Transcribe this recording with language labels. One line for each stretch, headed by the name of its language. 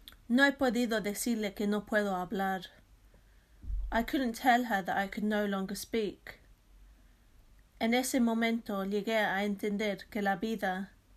Spanish: No he podido decirle que no puedo hablar.
English: I couldn't tell her that I could no longer speak.
Spanish: En ese momento llegué a entender que la vida.